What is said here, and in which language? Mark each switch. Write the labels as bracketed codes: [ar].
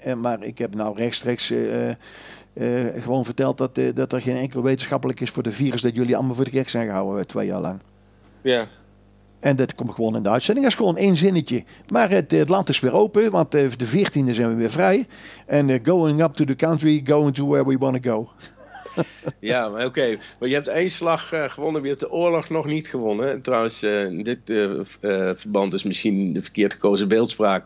[nl] Maar ik heb nou rechtstreeks gewoon verteld dat er geen enkel wetenschappelijk is voor de virus dat jullie allemaal voor de gek zijn gehouden 2 jaar lang. Ja. En dat komt gewoon in de uitzending. Dat is gewoon 1 zinnetje. Maar het land is weer open, want de 14e zijn we weer vrij. [en] En going up to the country, going to where we want to go. [nl] Ja, maar oké. Okay. Maar je hebt 1 slag gewonnen, maar je hebt de oorlog nog niet gewonnen. Trouwens, dit verband is misschien de verkeerd gekozen beeldspraak.